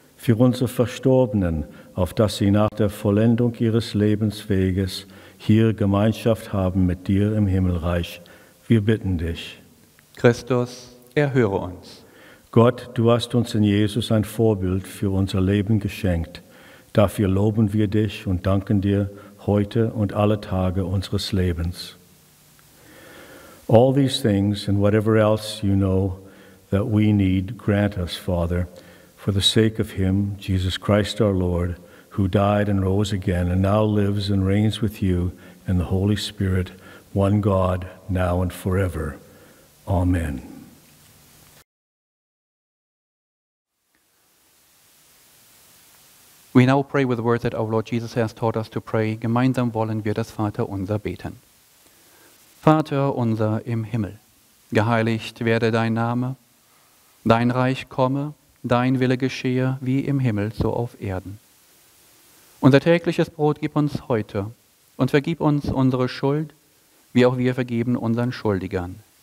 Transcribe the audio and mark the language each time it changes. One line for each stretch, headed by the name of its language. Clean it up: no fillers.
German: Für unsere Verstorbenen, auf dass sie nach der Vollendung ihres Lebensweges hier Gemeinschaft haben mit dir im Himmelreich, wir bitten dich. Christus, erhöre uns. Gott, du hast uns in Jesus ein Vorbild für unser Leben geschenkt. Dafür loben wir dich und danken dir heute und alle Tage unseres Lebens.
English: All these things and whatever else you know that we need, grant us, Father, for the sake of him, Jesus Christ our Lord, who died and rose again and now lives and reigns with you in the Holy Spirit, one God, now and forever. Amen. We now pray with the words that our Lord Jesus has taught us to pray.
German: Gemeinsam wollen wir das Vater unser beten. Vater unser im Himmel, geheiligt werde dein Name, dein Reich komme, dein Wille geschehe, wie im Himmel, so auf Erden. Unser tägliches Brot gib uns heute und vergib uns unsere Schuld, wie auch wir vergeben unseren Schuldigern.